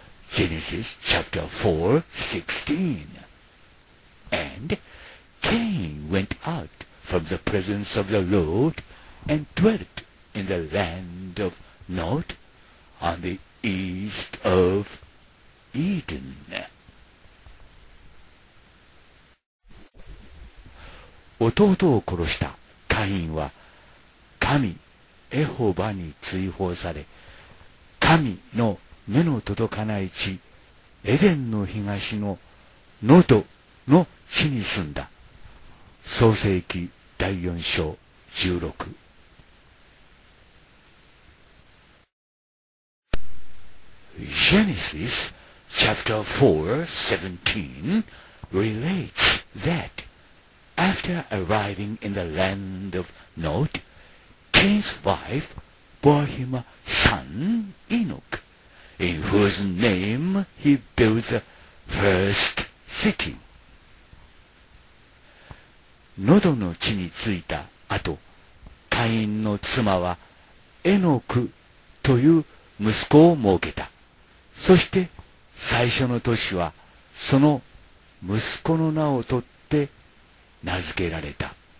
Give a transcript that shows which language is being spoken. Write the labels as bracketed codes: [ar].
[en] Genesis chapter 4:16. And Cain went out from the presence of the Lord and dwelt in the land of Nod on the east of Eden. [ja] Ototo を殺したカインは神エホバに追放され、神の目の届かない地エデンの東のノドの地に住んだ。創世記第4章16。 [en] Genesis chapter 4:17 relates that after arriving in the land of Nod, Cain's wife bore him a son, Enoch, in whose name he built the first city. [ja] ノドの地に着いた後、カインの妻はエノクという息子を設けた。そして最初の年はその息子の名を取って名付けられた。